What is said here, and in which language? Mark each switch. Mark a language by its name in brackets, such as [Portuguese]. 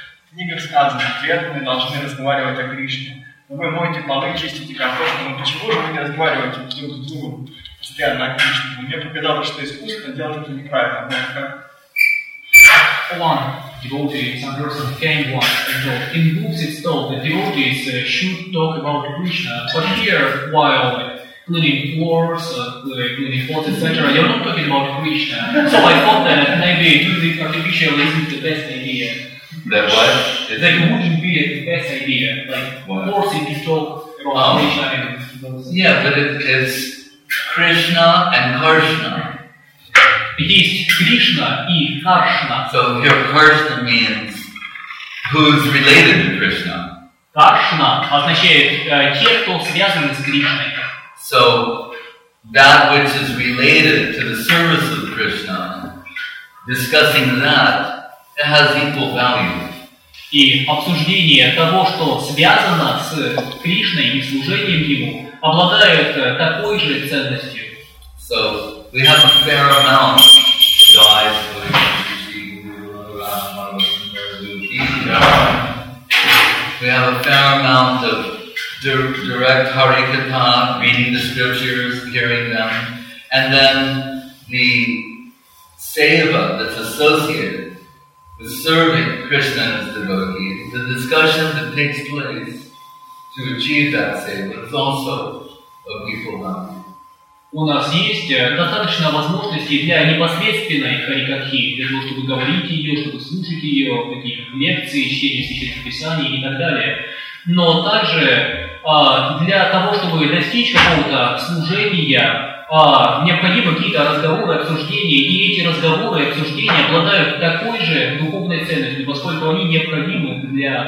[Russian] Книга сказана, преданные должны разговаривать о Кришне. Но вы моете полы, чистите картошку, но почему же вы не разговариваете друг с другом постоянно о Кришне? Мне показалось, что искусство делать это неправильно. [English] One devotee, some person came once and told, in books it's told that devotees should talk about Krishna, but here, while cleaning floors, cleaning pots, etc., you're not talking about Krishna. So I thought that maybe using artificial isn't the best idea. That what? That wouldn't be the best idea. Like forcing to talk about Krishna and those. Yeah, but it's Krishna and Karshna. It is Krishna and Karshna. So here Karshna means who's related to Krishna. [Russian] Karshna означает те, кто связан с Кришной. [English] So that which is related to the service of Krishna, discussing that, it has equal value. [Russian] И обсуждение того, что связано с Кришной и служением Ему, обладает такой же ценностью. [English] So, we have a fair amount of guys who are We have a fair amount of direct Harikatha, reading the scriptures, hearing them, and then the seva that's associated with serving Krishna as devotee, the discussion that takes place to achieve that seva is also of equal value. [Russian] У нас есть достаточно возможностей для непосредственной харикатхи, для того, чтобы говорить ее, чтобы слушать ее, какие лекции, чтение священных писаний и так далее. Но также для того, чтобы достичь какого-то служения, необходимы какие-то разговоры, обсуждения, и эти разговоры, обсуждения обладают такой же духовной ценностью, поскольку они необходимы для